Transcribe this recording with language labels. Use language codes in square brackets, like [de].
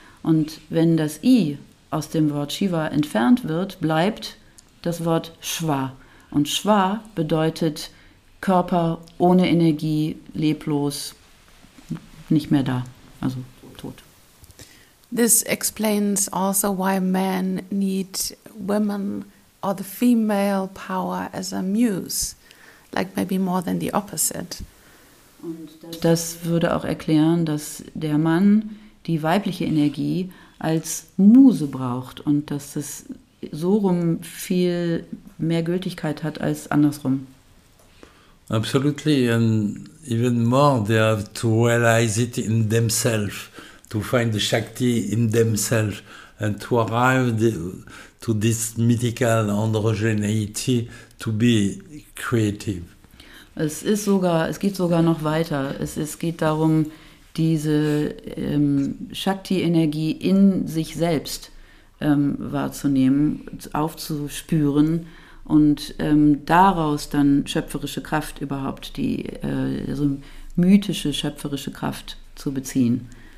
[de] Und wenn das I aus dem Wort Shiva entfernt wird, bleibt das Wort Shva. Und Shva bedeutet Körper ohne Energie, leblos, nicht mehr da, also tot. [en] This explains also why men need women or the female power as a muse, like maybe more than the opposite. [de] Und das würde auch erklären, dass der Mann die weibliche Energie als Muse braucht und dass es so rum viel mehr Gültigkeit hat als andersrum. [en] Absolutely, and even more, they have to realize it in themselves, to find the Shakti in themselves, and to arrive to this mythical androgeneity to be creative. [de] Es geht sogar noch weiter. Es geht darum, diese Shakti-Energie in sich selbst wahrzunehmen, aufzuspüren und daraus dann schöpferische Kraft überhaupt, die mythische schöpferische Kraft zu beziehen.